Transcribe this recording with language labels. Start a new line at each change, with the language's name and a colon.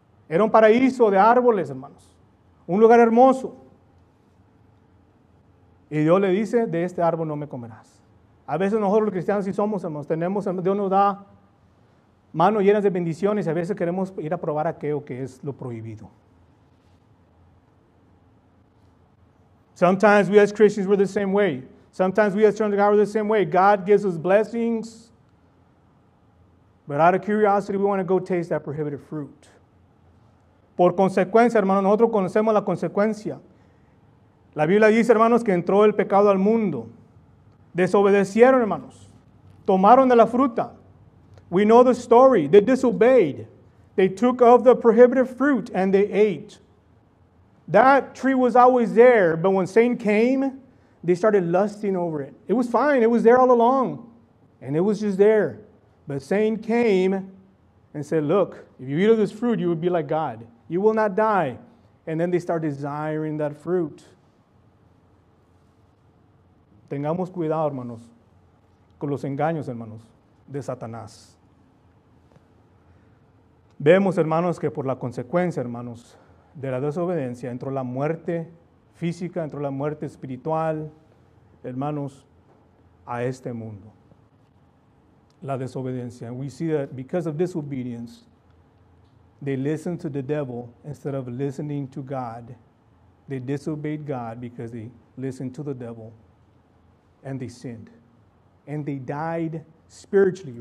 Spanish: Era un paraíso de árboles, hermanos. Un lugar hermoso. Y Dios le dice, de este árbol no me comerás. A veces nosotros los cristianos sí somos, hermanos, tenemos, Dios nos da manos llenas de bendiciones y a veces queremos ir a probar aquello que es lo prohibido.
English: Sometimes we as Christians were the same way. Sometimes we as children of God were the same way. God gives us blessings, but out of curiosity we want to go taste that prohibited fruit.
Spanish: Por consecuencia, hermanos, nosotros conocemos la consecuencia. La Biblia dice, hermanos, que entró el pecado al mundo. Desobedecieron, hermanos. Tomaron de la fruta.
English: We know the story. They disobeyed. They took of the prohibited fruit and they ate. That tree was always there, but when Satan came, they started lusting over it. It was fine. It was there all along. And it was just there. But Satan came and said, look, if you eat of this fruit, you would be like God. You will not die. And then they start desiring that fruit.
Spanish: Tengamos cuidado, hermanos, con los engaños, hermanos, de Satanás. Vemos, hermanos, que por la consecuencia, hermanos, de la desobediencia, entró la muerte física, entró la muerte espiritual, hermanos, a este mundo. La desobediencia.
English: And we see that because of disobedience, they listened to the devil instead of listening to God. They disobeyed God because they listened to the devil. And they sinned. And they died spiritually.